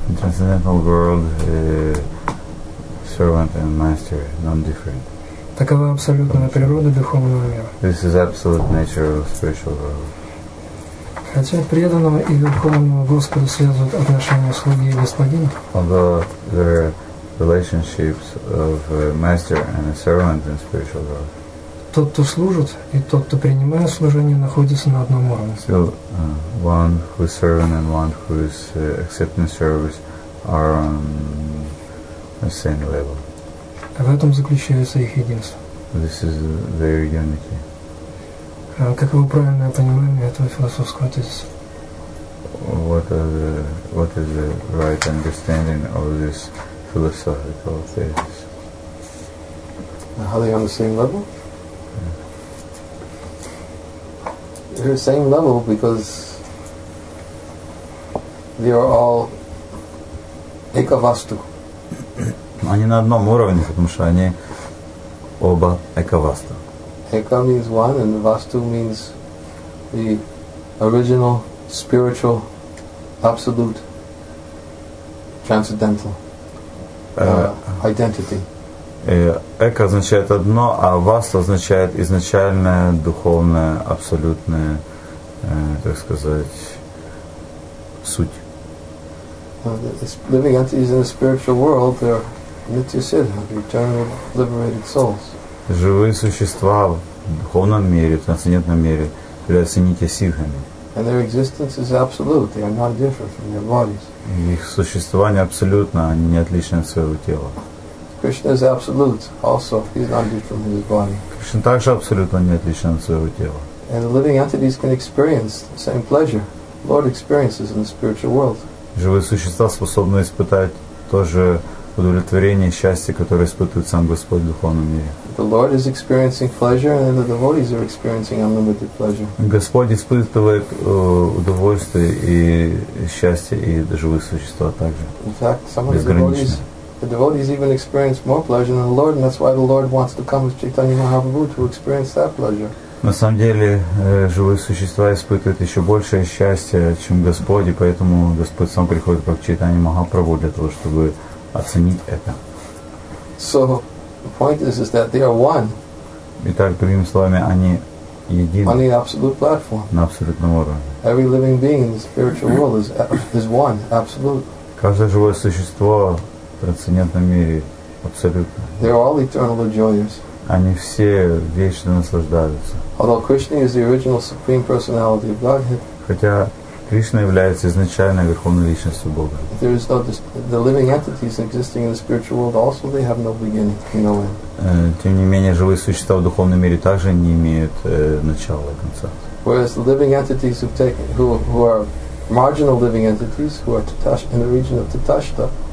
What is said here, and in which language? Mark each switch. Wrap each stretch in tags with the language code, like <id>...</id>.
<en>In transcendental world, servant and master, non-different.</en> <ru>Такова абсолютная природа духовного мира.</ru> <en>This is absolute nature of spiritual world.</en> <ru>Хотя преданного и верховного Господа связывают отношения слуги и господина.</ru> <en>Although there are relationships of a master and a servant in spiritual world.</en> <ru>Тот, кто служит, и тот, кто принимает служение, находится на одном уровне.</ru> <en>Still, one who is serving and one who is accepting service are on the same level.</en> <ru>В этом заключается их единство.</ru> <en>This is their unity.</en> <ru>Каково правильное понимание этого философского тезиса?</ru> <en>What is the right understanding of this philosophical thesis? Are they on the same level? They're the same level because they are all ekavastu.</en> <ru>Они на одном уровне, потому что они оба ekavastu.</ru> <en>Eka means one, and vastu means the original, spiritual, absolute, transcendental identity.</en> <ru>Эко означает одно, а васта означает изначальное, духовное, абсолютное, так сказать, суть.</ru> <en>The living entities in the spiritual world, they're nitya siddha, the eternal liberated souls.</en> <ru>Живые существа в духовном мире, в трансцендентном мире, являются нитья сиддхами.</ru> <en>And their existence is absolute, they are not different from their bodies.</en> <ru>Их существование абсолютно, они не отличны от своего тела.</ru> <en>Krishna is absolute also, he's not different from his body.</en> <ru>Krishna также абсолютно не отличен от своего тела.</ru> <en>And the living entities can experience the same pleasure Lord experiences in the spiritual world.</en> <ru>Живые существа способны испытать то же удовлетворение, счастье, которое испытывает сам Господь в духовном мире.</ru> <en>The Lord is experiencing pleasure and the devotees are experiencing unlimited pleasure.</en> <ru>Господь испытывает удовольствие и счастье, и живые существа также.</ru> <en>In fact, some of the devotees even experience more pleasure than the Lord, and that's why the Lord wants to come as Chaitanya Mahaprabhu to experience that pleasure.</en> <ru>На самом деле, живые существа испытывают еще большее счастье, чем Господь, и поэтому Господь сам приходит как Чайтанья Махапрабху для того, чтобы оценить это.</ru> <en>So, the point is that they are one.</en> <ru>Итак, другими словами, они едины.</ru> <en>On the absolute platform.</en> <ru>На абсолютном уровне.</ru> <en>Every living being in the spiritual world is one, absolute.</en> <ru>Каждое живое существо в трансцендентном мире абсолютно.</ru> <en>They are all eternal joyers.</en> <ru>Они все вечно наслаждаются.</ru> <en>Although Krishna is the original supreme personality of Godhead.</en> <ru>Хотя Кришна является изначальной верховной личностью Бога.</ru> <en>There is no the living entities existing in the spiritual world also they have no beginning, no end.</en> <ru>Тем не менее, живые существа в духовном мире также не имеют начала и конца.</ru> <en>Whereas the living entities who are marginal living entities who are tatashta, in the region of tatashta.</en>